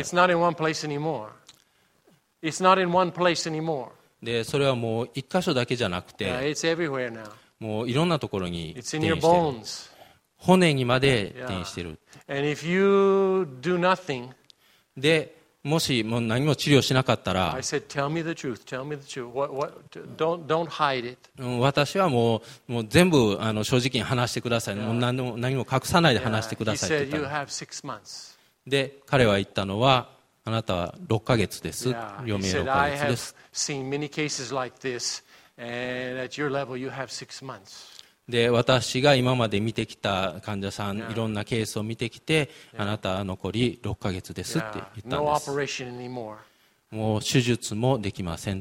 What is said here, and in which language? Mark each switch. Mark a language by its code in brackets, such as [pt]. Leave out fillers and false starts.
[en] It's not in one place anymore. It's not in one place anymore. [ja] で、それはもう一箇所だけじゃなくて、 [en] It's everywhere now. [ja] もういろんなところに転移してる。骨にまで転移してる。 [en] And if you do nothing, [ja] で、もしもう何も治療しなかったら、 [en] I said, tell me the truth, tell me the truth. Don't hide it. [ja] 私はもう全部正直に話してください。 Yeah. もう何も隠さないで話してくださいって言った [en] の。Yeah. He said, you have six months. [ja] で、彼は言ったのは、あなたは6ヶ月です。余命6ヶ月です。 [en] I have seen many cases like this, and at your level, you have six months. [ja] で私が今まで見てきた患者さん、yeah. いろんなケースを見てきて、yeah. あなたは残り6ヶ月ですって言ったんです。 [en] No operation anymore. [ja] もう手術もできません。